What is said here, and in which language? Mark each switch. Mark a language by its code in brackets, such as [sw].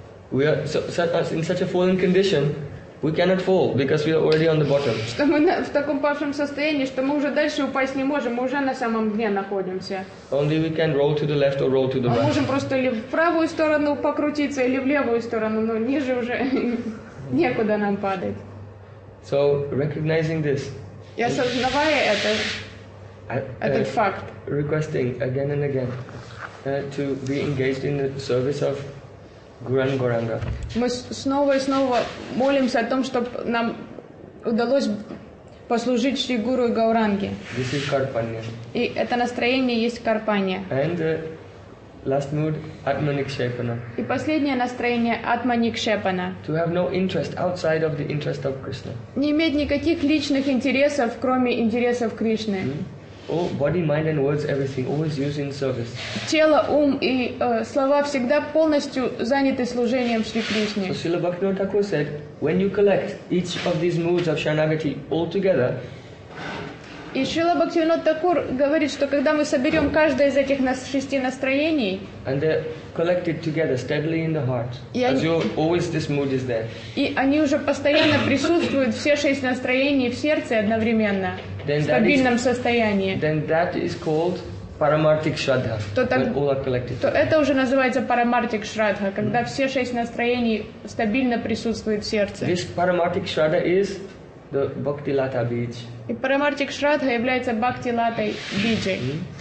[en] We are in such a fallen condition, we cannot fall because we are already on the bottom. [ru] Что мы в таком павшем состоянии, что мы уже дальше упасть не можем, мы уже на самом дне находимся. [en] Only we can roll to the left or roll to the right. [ru] Мы можем просто или в правую сторону покрутиться, или в левую сторону, но ниже уже некуда нам падать. [en] So recognizing this. [ru] И осознавая это, этот факт. [en] Requesting again and again to be engaged in the service of Гуран Гуранга. [ru] Мы снова и снова молимся о том, чтобы нам удалось послужить Шри Гуру Гауранге. [en] This is Karpanya. [ru] И это настроение есть Карпанья. [en] And last mood, Atmanikshepana. [ru] И последнее настроение Атманикшепана. [en] To have no interest outside of the interest of Krishna. [ru] Не иметь никаких личных интересов, кроме интересов Кришны. Mm-hmm. [en] Oh, body, mind, and words, everything always used in service. [ru] Тело, ум и слова всегда полностью заняты служением Шри Кришне. [en] So Srila Bhaktivinoda Thakur said, when you collect each of these moods of Sharanagati all together. [ru] И Шрила Бхактивинода Такур говорит, что когда мы соберем каждое из этих шести настроений, [en] and they're collected together steadily in the heart, as you always this mood is there. [ru] И они уже постоянно присутствуют все шесть настроений в сердце одновременно. [en] Then [ru] в стабильном состоянии. [en] Then that is called paramarthik shraddha. [ru] То [en] так, when all are collected. [ru] То это уже называется paramarthik shraddha, когда все шесть настроений стабильно присутствуют в сердце. [en] This paramarthik shraddha is the bhakti lata bij. [ru] И paramarthik shraddha является bhakti latai bij.